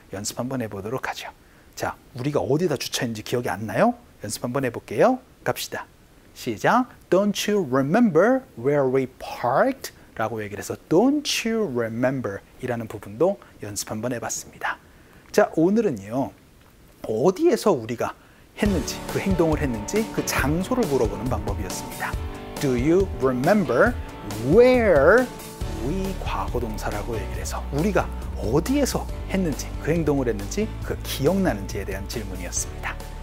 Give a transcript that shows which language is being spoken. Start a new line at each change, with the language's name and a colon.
Korean: 연습 한번 해보도록 하죠. 자, 우리가 어디다 주차했는지 기억이 안 나요? 연습 한번 해볼게요. 갑시다. 시작.
English: Don't you remember where we parked?
Korean: 라고 얘기를 해서
English: Don't you remember?
Korean: 이라는 부분도 연습 한번 해봤습니다. 자, 오늘은요. 어디에서 우리가 했는지, 그 행동을 했는지 그 장소를 물어보는 방법이었습니다.
English: Do you remember where we
Korean: 과거동사라고 얘기를 해서 우리가 어디에서 했는지, 그 행동을 했는지 그 기억나는지에 대한 질문이었습니다.